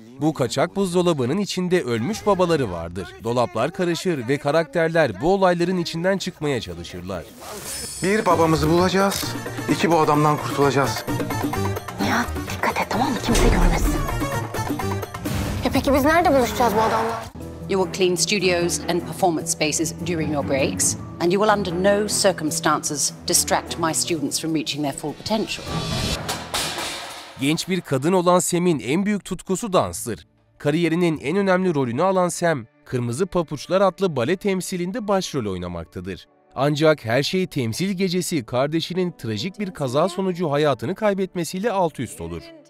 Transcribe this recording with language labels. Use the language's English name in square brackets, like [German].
[Turkish] Bu kaçak buzdolabının içinde ölmüş babaları vardır. Dolaplar karışır ve karakterler bu olayların içinden çıkmaya çalışırlar. Bir babamızı bulacağız, iki bu adamdan kurtulacağız. Nihat dikkat et tamam mı? Kimse görmesin. Ya peki biz nerede buluşacağız bu adamla? [English] You will clean studios and performance spaces during your breaks. And you will under no circumstances distract my students from reaching their full potential. [Turkish] Genç bir kadın olan Sem'in en büyük tutkusu danstır. Kariyerinin en önemli rolünü alan Sem, Kırmızı Papuçlar adlı bale temsilinde başrol oynamaktadır. Ancak her şey temsil gecesi kardeşinin trajik bir kaza sonucu hayatını kaybetmesiyle alt üst olur.